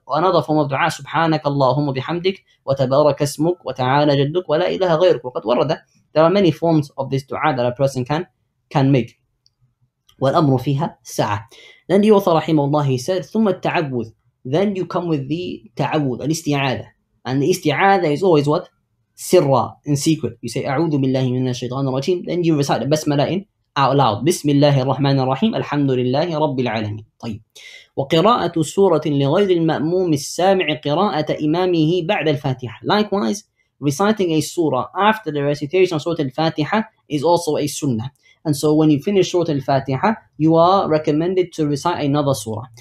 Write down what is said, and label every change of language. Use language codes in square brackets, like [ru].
[en] Another form of dua, [ar] سبحانك اللهم بحمدك وتبارك اسمك وتعالى جدك ولا إله غيرك وقد ورد. [en] There are many forms of this dua that a person can make. [ar] والأمر فيها ساعة. [en] Then the author رحمه الله, he said, [ar] ثم التعوذ. [en] Then you come with the تعوذ, الاستعاذة. And the استعاذة is always what? سرا, in secret. You say [ar] أعوذ بالله من الشيطان الرجيم. [en] Then you recite البسملة in out loud. [ar] بسم الله الرحمن الرحيم الحمد لله رب العالمين. طيب. وقراءة سورة لغير المأموم السامع قراءة إمامه بعد الفاتحة. [en] Likewise, reciting a surah after the recitation of Surah Al-Fatiha is also a sunnah. And so when you finish Surah Al-Fatiha, you are recommended to recite another surah.